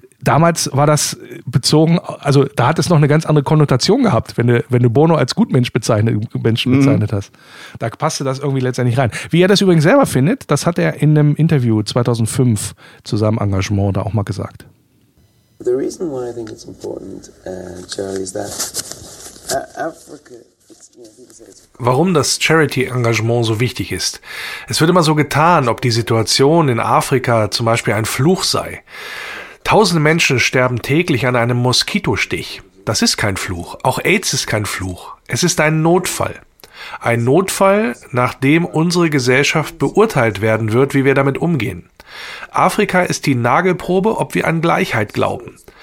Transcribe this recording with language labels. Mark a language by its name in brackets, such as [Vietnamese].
[German] Damals war das bezogen, also da hat es noch eine ganz andere Konnotation gehabt, wenn du Bono als Gutmensch bezeichnet hast. Da passte das irgendwie letztendlich rein. Wie er das übrigens selber findet, das hat er in einem Interview 2005 zu seinem Engagement da auch mal gesagt. [English] The reason why I think it's important, Charlie, is that Africa... [German] Warum das Charity-Engagement so wichtig ist. Es wird immer so getan, ob die Situation in Afrika zum Beispiel ein Fluch sei. Tausende Menschen sterben täglich an einem Moskitostich. Das ist kein Fluch. Auch AIDS ist kein Fluch. Es ist ein Notfall. Ein Notfall, nach dem unsere Gesellschaft beurteilt werden wird, wie wir damit umgehen. Afrika ist die Nagelprobe, ob wir an Gleichheit glauben.